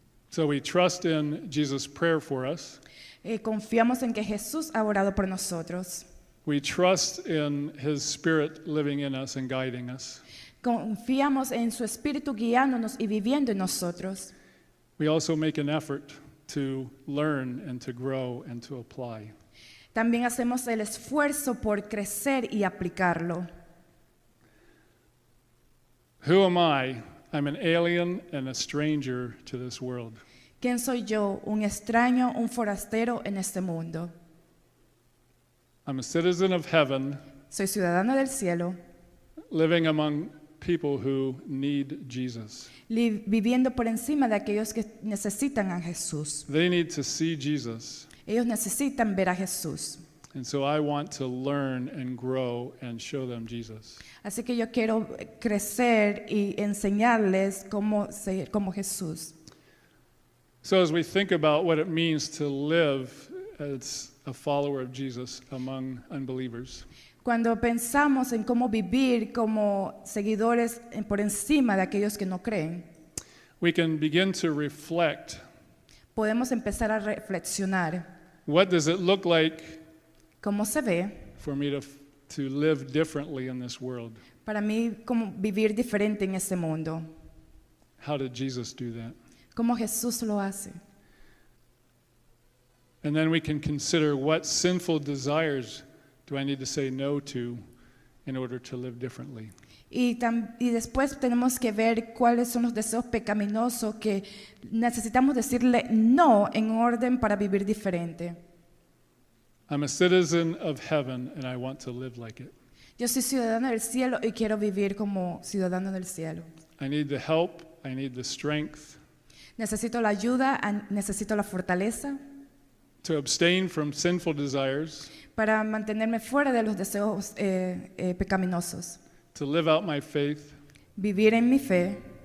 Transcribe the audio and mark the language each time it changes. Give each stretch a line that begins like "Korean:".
English: So we trust in Jesus' prayer for us.
Spanish: Y confiamos en que Jesús ha orado por nosotros.
English: We trust in his spirit living in us and guiding us.
Spanish: Confiamos en su espíritu guiándonos y viviendo en nosotros.
English: We also make an effort to learn and to grow and to apply.
Spanish: También hacemos el esfuerzo por crecer y aplicarlo.
English: Who am I? I'm an alien and a stranger to this world.
Spanish: ¿Quién soy yo? Un extraño, un forastero en este mundo.
English: I'm a citizen of heaven.
Spanish: Soy ciudadano del cielo.
English: Living among people who need Jesus.
Spanish: Viviendo por encima de aquellos que necesitan a Jesús.
English: They need to see Jesus.
Spanish: Ellos necesitan ver a Jesús.
English: And so I want to learn and grow and show them Jesus.
Spanish: Así que yo quiero crecer y enseñarles cómo Jesús.
English: So as we think about what it means to live as a follower of Jesus among unbelievers.
Spanish: Cuando pensamos en cómo vivir como seguidores por encima de aquellos que no creen.
English: We can begin to reflect.
Spanish: Podemos empezar a reflexionar.
English: What does it look like?
Spanish: ¿Cómo se ve?
English: For me to live differently in this world.
Spanish: Para mí, como vivir diferente en este mundo.
English: How did Jesus do that?
Spanish: ¿Cómo Jesús lo hace?
English: And then we can consider what sinful desires do I need to say no to in order to live differently.
Spanish: Y después tenemos que ver cuáles son los deseos pecaminosos que necesitamos decirle no en orden para vivir diferente.
English: I'm a citizen of heaven and I want to live like it.
Spanish: Yo soy ciudadano del cielo y quiero vivir como ciudadano del cielo.
English: I need the help, I need the strength.
Spanish: Necesito la ayuda, necesito la fortaleza.
English: To abstain from sinful desires.
Spanish: Para mantenerme fuera de los deseos pecaminosos.
English: To live out my faith.
Spanish: Vivir en mi fe.